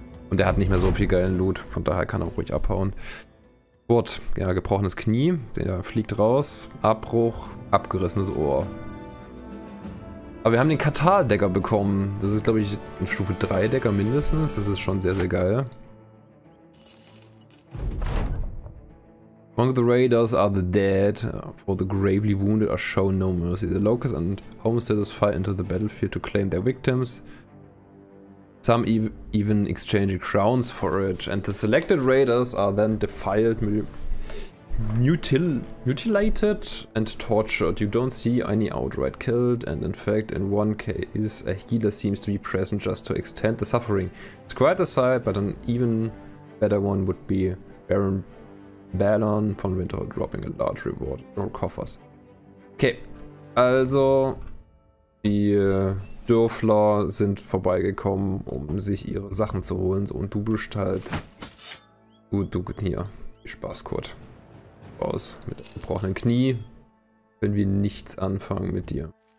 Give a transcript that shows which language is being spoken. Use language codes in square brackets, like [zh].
[de] Und der hat nicht mehr so viel geilen Loot, von daher kann er ruhig abhauen. Gut, ja, gebrochenes Knie, der fliegt raus. Abbruch, abgerissenes Ohr. Aber wir haben den Katar-Decker bekommen. Das ist, glaube ich, ein Stufe 3-Decker mindestens. Das ist schon sehr, sehr geil. [en] Among the raiders are the dead, for the gravely wounded are shown no mercy. The locusts and homesteaders fight into the battlefield to claim their victims. Some even exchange crowns for it. And the selected raiders are then defiled, mutilated and tortured. You don't see any outright killed, and in fact, in one case, a healer seems to be present just to extend the suffering. It's quite a sight, but an even better one would be Baron Balon von Winterhold dropping a large reward in our coffers. [de] Okay, also die Dörfler sind vorbeigekommen, um sich ihre Sachen zu holen, so, und du bist halt gut, du hier. Viel Spaß, Kurt. Aus mit gebrochenem Knie. Können wir nichts anfangen mit dir.